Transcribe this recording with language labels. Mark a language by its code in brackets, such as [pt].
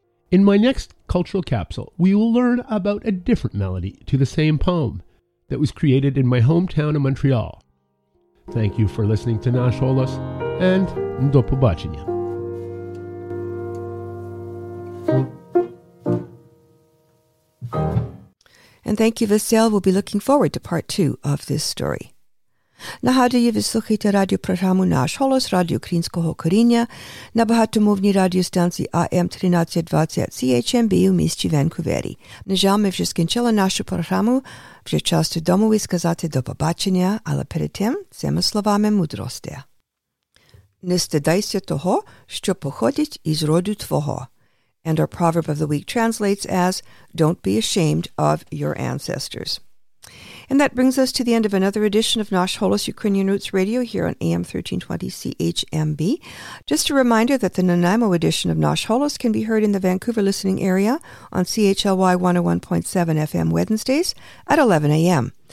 [en] In my next cultural capsule, we will learn about a different melody to the same poem that was created in my hometown of Montreal. Thank you for listening to Nash Holos, and [uk] do pobachenia. [en] And thank you, Vasil. We'll be looking forward to part two of this story. [uk] Нагадую, ви слухаєте радіопрограму «Наш голос» радіо українського коріння на багатомовній радіостанції АМ 1320 CHMB у місті Ванкувері. На жаль, ми вже скінчили нашу програму. Вже час додому і сказати до побачення, але перед тим цими словами мудрості. Не стидайся того, що походить із роду твого. [en] And our proverb of the week translates as, don't be ashamed of your ancestors. And that brings us to the end of another edition of Nash Holos Ukrainian Roots Radio here on AM 1320 CHMB. Just a reminder that the Nanaimo edition of Nash Holos can be heard in the Vancouver listening area on CHLY 101.7 FM Wednesdays at 11 a.m.